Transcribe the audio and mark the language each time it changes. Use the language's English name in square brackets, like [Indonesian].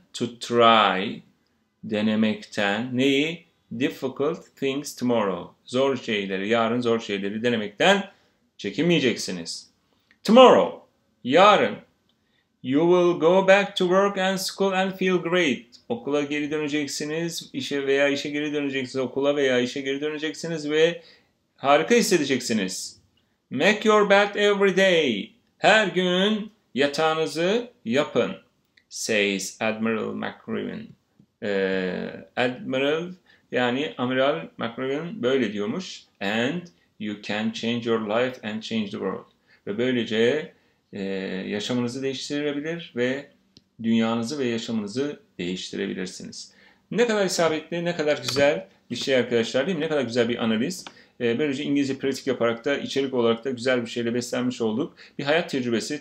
[English] To try [Turkish] denemekten. Neyi? [English] Difficult things tomorrow. [Turkish] Zor şeyleri, yarın zor şeyleri denemekten çekinmeyeceksiniz. [English] Tomorrow, [Turkish] yarın [English] you will go back to work and school and feel great. [Turkish] Okula geri döneceksiniz, okula veya işe geri döneceksiniz ve harika hissedeceksiniz. [English] Make your bed every day. [Turkish] Her gün yatağınızı yapın. Says Admiral McRaven. Admiral, yani Amiral McRaven böyle diyormuş. [English] And you can change your life and change the world. [Turkish] Ve böylece yaşamınızı değiştirebilir ve dünyanızı ve yaşamınızı değiştirebilirsiniz. Ne kadar isabetli, ne kadar güzel bir şey arkadaşlar, değil mi? Ne kadar güzel bir analiz. Böylece İngilizce pratik yaparak da içerik olarak da güzel bir şeyle beslenmiş olduk. Bir hayat tecrübesi.